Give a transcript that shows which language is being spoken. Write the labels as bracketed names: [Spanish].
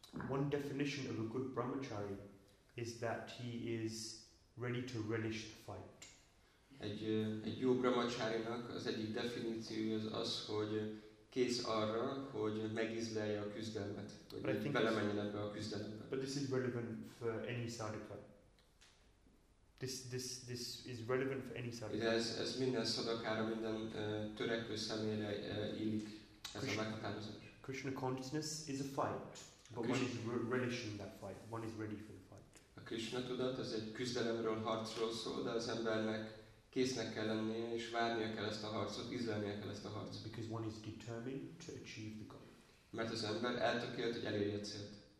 [English] One definition of a good brahmachari is that he is ready to relish the fight. [Hungarian] Egy jó brahmacharinak az egyik definíciója az, hogy kész arra, hogy megizlelje a küzdelmet, hogy belemenjen ebbe a küzdelembe. [English] But this is relevant for any sadhaka. This is relevant for any sadhaka. [Hungarian] Ez minden sadhakára, minden törekvő személyre illik, ez a meghatározás. [English] Krishna consciousness is a fight, but one is relishing that fight. One is ready for the fight. [Hungarian] A Krishna tudat az egy küzdelemről, harcról szól, de az embernek késznek kell lennie, és várnia kell ezt a harcot, ízlelnie kell ezt a harcot. [English] Because one is determined to achieve the goal. [Hungarian] Mert az ember eltökélt, hogy elérje a célt.